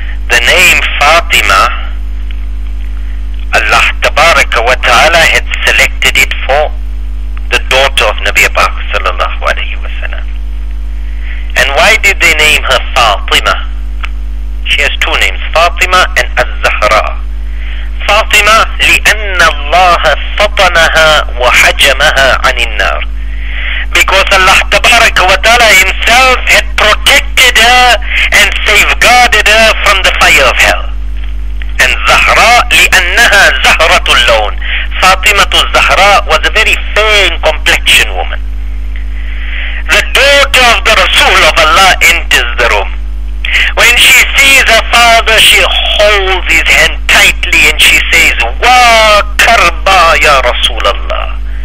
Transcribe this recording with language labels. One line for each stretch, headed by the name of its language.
English: The name Fatima, Allah Tabaraka wa Ta'ala had selected it for the daughter of Nabi Abak sallallahu alayhi wa sallam. And why did they name her Fatima? She has two names, Fatima and Al-Zahra.
Arabic: Fatima, لِأَنَّ اللَّهَ فَطَنَهَا وَحَجَمَهَا عَنِ النَّارِ.
English: Because Allah Tabaraka wa Ta'ala himself had protected her and safeguarded her from the fire of hell.
Arabic: And Zahra, لأنها زهرة اللون.
English: Fatima al-Zahra was a very fair complexion woman. The daughter of the Rasul of Allah enters the room. When she sees her father, she holds his hand tightly and she says,
Arabic: Wa karba ya Rasul Allah.